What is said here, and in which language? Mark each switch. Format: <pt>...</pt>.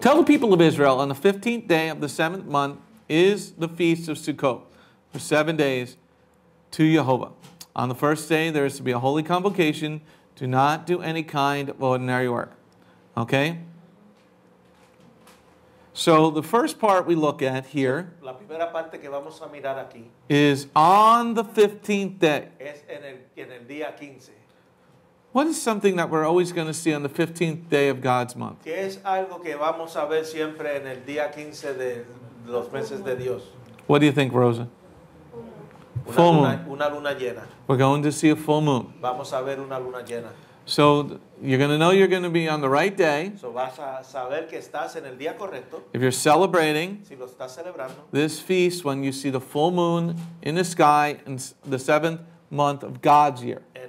<en>Tell the people of Israel, on the 15th day of the 7th month is the feast of Sukkot for 7 days to Jehovah. On the first day there is to be a holy convocation. Do not do any kind of ordinary work. Okay? So the first part we look at here,</en> <es>la primera parte que vamos a mirar aquí,</es> <en>is on the 15th day.</en> <es>Es en el día 15.</es> <en>What is something that we're always going to see on the 15th day of God's month?</en> <es>¿Qué es algo que vamos a ver siempre en el día 15 de los meses de Dios?</es> <en>What do you think, Rosa? Full moon.</en> <es>Una luna llena.</es> <en>We're going to see a full moon.</en> <es>Vamos a ver una luna llena.</es> <en>So you're going to know you're going to be on the right day.</en> <es>So vas a saber que estás en el día correcto.</es> <en>If you're celebrating,</en> <es>si lo estás celebrando,</es> <en>this feast when you see the full moon in the sky in the 7th month of God's year.</en>